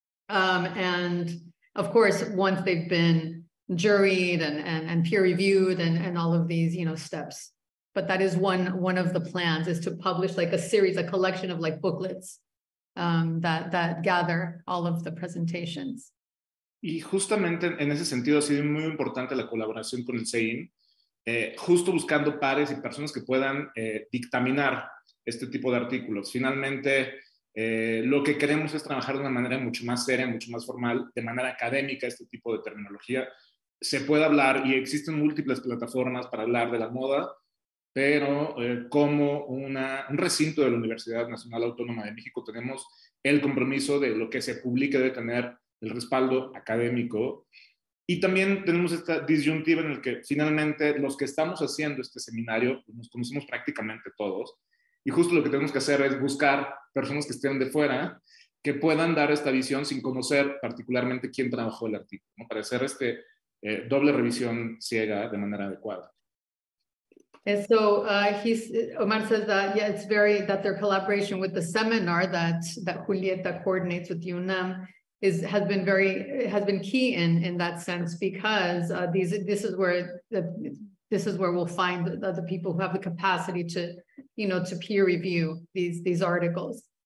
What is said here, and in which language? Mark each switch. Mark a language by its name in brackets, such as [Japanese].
[English] And of course, once they've been juried and peer reviewed and all of these, you know, steps. But that is one of the plans, is to publish like a series, a collection of like booklets that gather all of the presentations. [Spanish] Y justamente en ese sentido ha sido muy importante la colaboración con el CEIN, justo buscando pares y personas que puedan dictaminar este tipo de artículos. Finalmente, lo que queremos es trabajar de una manera mucho más seria, mucho más formal, de manera académica, este tipo de terminología. Se puede hablar y existen múltiples plataformas para hablar de la moda, pero como un recinto de la Universidad Nacional Autónoma de México, tenemos el compromiso de lo que se publique debe tener el respaldo académico. Y también tenemos esta disyuntiva en la que finalmente los que estamos haciendo este seminario, pues nos conocemos prácticamente todos, y justo lo que tenemos que hacer es buscar personas que estén de fuera que puedan dar esta visión sin conocer particularmente quién trabajó el artículo, ¿no? Para hacer este doble revisión ciega de manera adecuada. [English] And so Omar says that, yeah, it's very, that their collaboration with the seminar that Julieta coordinates with UNAM has been key in that sense, because this is where we'll find the people who have the capacity to, you know, to peer review these articles.